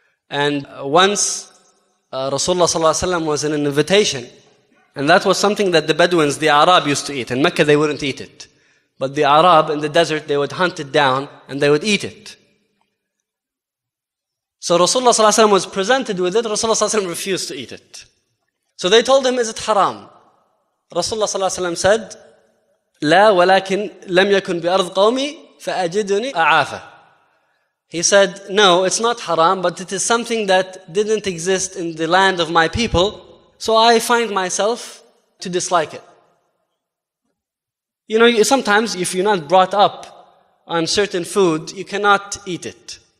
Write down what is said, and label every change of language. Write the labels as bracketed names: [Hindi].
[English] And once Rasulullah sallallahu alayhi wa sallam was in an invitation, and that was something that the Bedouins, the Arab, used to eat. In Mecca, they wouldn't eat it. But the Arab, in the desert, they would hunt it down, and they would eat it. So Rasulullah sallallahu alayhi wa sallam was presented with it. Rasulullah sallallahu alayhi wa sallam refused to eat it. So they told him, is it haram? Rasulullah sallallahu alayhi wa sallam said, [Arabic] لا ولكن لم يكن بأرض قومي فأجدني أعافى. [English] He said, no, it's not haram, but it is something that didn't exist in the land of my people, so I find myself to dislike it. You know, sometimes if you're not brought up on certain food, you cannot eat it.